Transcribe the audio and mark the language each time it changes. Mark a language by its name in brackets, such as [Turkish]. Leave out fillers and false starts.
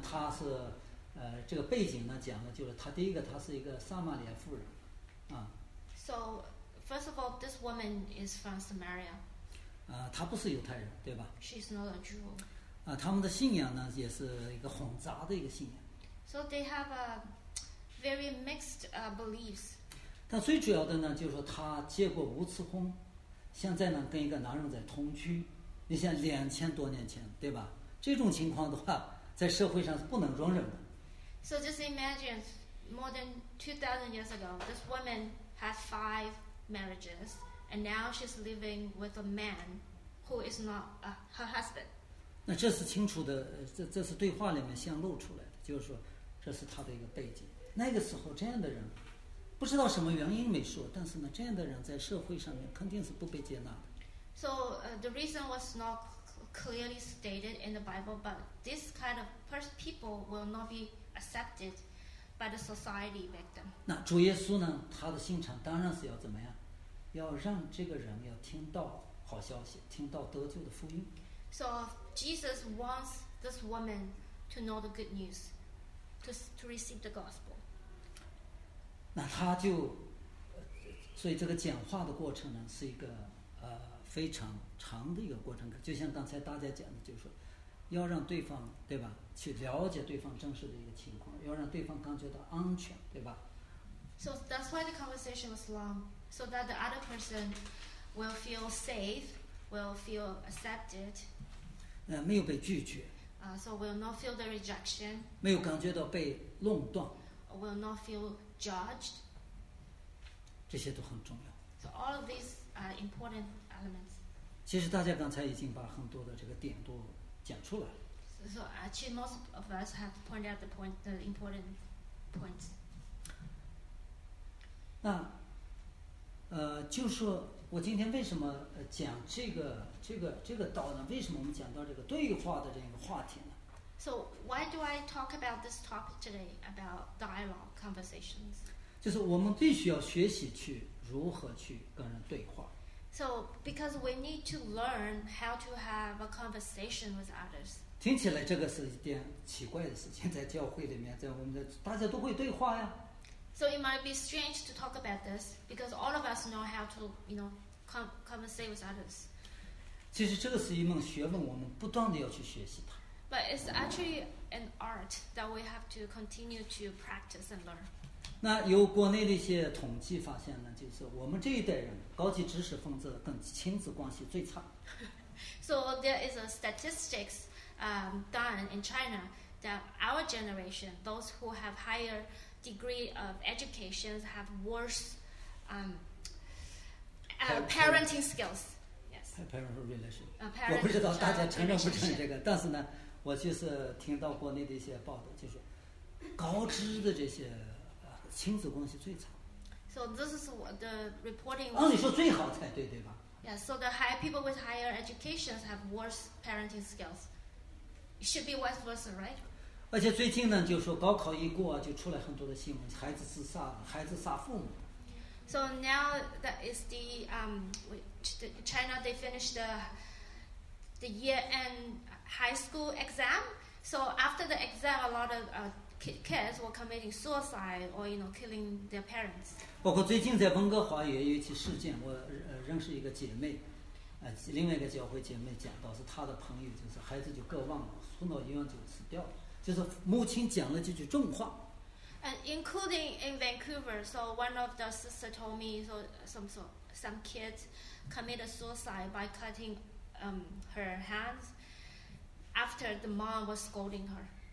[Chinese] 她是，这个背景呢，讲的就是她第一个，她是一个撒玛利亚妇人，啊。 [English] So, first of all, this woman is from Samaria. [Chinese] 她不是犹太人，对吧 [English] ？She's not a Jew. [Chinese] 他们的信仰呢，也是一个混杂的一个信仰。 [English] So they have a. Very mixed beliefs. [Chinese] 但最主要的呢，就是说她结过五次婚，现在呢跟一个男人在同居。你像2000多年前，对吧？这种情况的话，在社会上是不能容忍的。 [English] So just imagine, more than 2,000 years ago, this woman had 5 marriages, and now she's living with a man who is not her husband. [Chinese] 那这是清楚的，这是对话里面显露出来的，就是说这是她的一个背景。那个时候这样的人不知道什么原因没说，但是呢，这样的人在社会上面肯定是不被接纳的。 [English] So the reason was not clearly stated in the Bible, but this kind of people will not be accepted by the society back then. [Chinese] 那主耶稣呢，他的心肠当然是要怎么样，要让这个人要听到好消息，听到得救的福音。 [English] So Jesus wants this woman to know the good newsto receive the gospel. [Chinese] 那他就所以这个简化的过程呢是一个非常长的一个过程，就像刚才大家讲的，就是说要让对方对吧去了解对方真实的一个情况，要让对方感觉到安全，对吧？ [English] So that's why the conversation was long, so that the other person will feel safe, will feel accepted. [Chinese] 没有被拒绝。 [English] So will not feel the rejection. [Chinese] 没有感觉到被垄断。 [English] Will not feel judged. [Chinese] 这些都很重要。 [English] So all of these are important elements. [Chinese] 其实大家刚才已经把很多的这个点都讲出来了。 [English] So actually, most of us have pointed out the important points. [Chinese] 那，就说我今天为什么讲这个道呢？为什么我们讲到这个对话的这个话题呢 [English] ？So why do I talk about this topic today about dialogue conversations? [Chinese] 就是我们必须要学习去如何去跟人对话。 [English] So because we need to learn how to have a conversation with others. [Chinese] 听起来这个是一件奇怪的事情，在教会里面，在我们的大家都会对话呀。 [English] So it might be strange to talk about this because all of us know how to, you know, converse with others. [Chinese] 其实这个是一门学问，我们不断的要去学习它。 [English] But it's actually an art that we have to continue to practice and learn. [Chinese] 那由国内的一些统计发现呢，就是我们这一代人，高级知识分子跟亲子关系最差。 [English] So there is a statistics done in China that our generation, those who have higherdegree of education have worse parenting skills. Yes. Parental relationship. Parenting [Chinese] 我不知道大家承认不承认这个，但是呢，我就是听到国内的一些报道，就是高知的这些亲子关系最差。 [English] So this is what the reporting. [Chinese] 按理说最好才对，对吧 [English] ？Yes. So the high people with higher education have worse parenting skills. It should be vice versa, right? [Chinese] 而且最近呢，就说高考一过，就出来很多的新闻，孩子自杀，孩子杀父母。 [English] So now that is the China, they finished the year-end high school exam. So after the exam, a lot of kids were committing suicide or you know killing their parents. [Chinese] 包括最近在温哥华也有一起事件，我认识一个姐妹，另外一个教会姐妹讲到是她的朋友，就是孩子就割腕了，送到医院就死掉了。就是母亲讲了几句重话 [English] ，and including in Vancouver, so one of the sister told me so some kids committed suicide by cutting her hands after the mom was scolding her.